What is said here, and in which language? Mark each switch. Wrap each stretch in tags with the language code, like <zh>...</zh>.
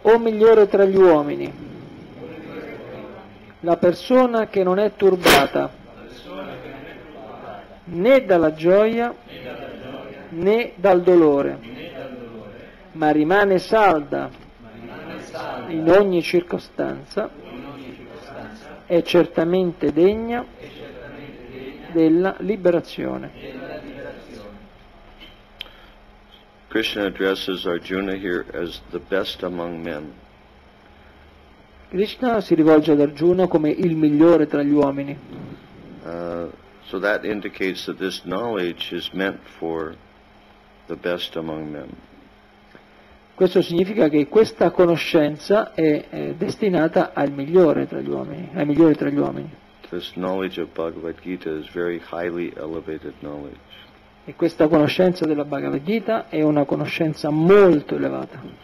<it>O migliore tra gli uomini, la persona che non è turbata né dalla gioia né dal dolore, ma rimane salda in ogni circostanza, è certamente degna della liberazione.</it> <en>Krishna addresses Arjuna here as the best among men.</en> <it>Krishna si rivolge ad Arjuna come il migliore tra gli uomini.</it> <en>So that indicates that this knowledge is meant for the best among men.</en> <it>Questo significa che questa conoscenza è destinata al migliore tra gli uomini, ai migliori tra gli uomini.</it> <en>This knowledge of Bhagavad Gita is very highly elevated knowledge.</en> <it>E questa conoscenza della Bhagavad Gita è una conoscenza molto elevata.</it>